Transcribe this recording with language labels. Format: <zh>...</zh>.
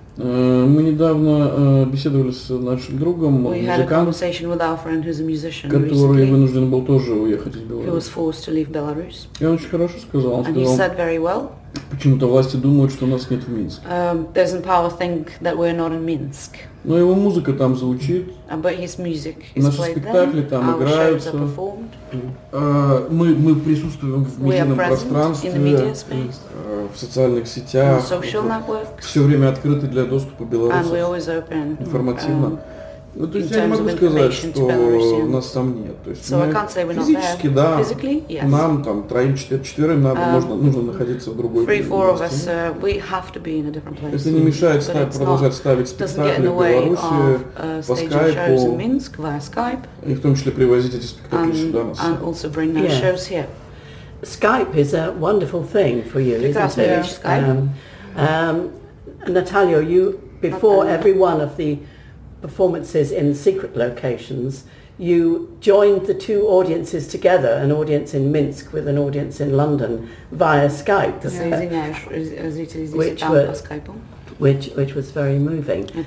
<ru>Мы недавно беседовали с нашим другом, музыкантом, который вынужден был тоже уехать из Беларуси.</ru> <en>He was forced to leave Belarus.</en> <ru>И он очень хорошо сказал.</ru> <en>And he said very well.</en> <ru>Почему-то власти думают, что нас нет в Минске.</ru> <en>Those in power think that we're not in Minsk.</en> <ru>Но его музыка там звучит.</ru> <en>But his music is played there.</en> <ru>Наши спектакли там играются.</ru> <en>Our shows are performed.</en> <ru>Мы присутствуем в медийном пространстве,</ru> <en>in the media space,</en> <ru>в социальных сетях,</ru> <en>in social networks,</en> <ru>все время открыты для доступа белорусов,</ru> <en>and we're always open,</en> <ru>информативно. Ну, то есть я не могу сказать, что нас там нет. То есть</ru> <en>so</en> <ru>мы физически, да,</ru> <en>yes,</en> <ru>нам там четверым надо, нужно находиться в другой</ru> <en>place.</en> <ru>Если не мешает продолжать ставить спектакли в Беларуси по скайпу, и в том числе привозить эти спектакли сюда, на Скайп.</ru> <en>Skype is a wonderful thing for you, isn't it? Skype. Natalia, you, before every one of the performances in secret locations, you joined the two audiences together, an audience in Minsk with an audience in London, via Skype, which was very moving.</en>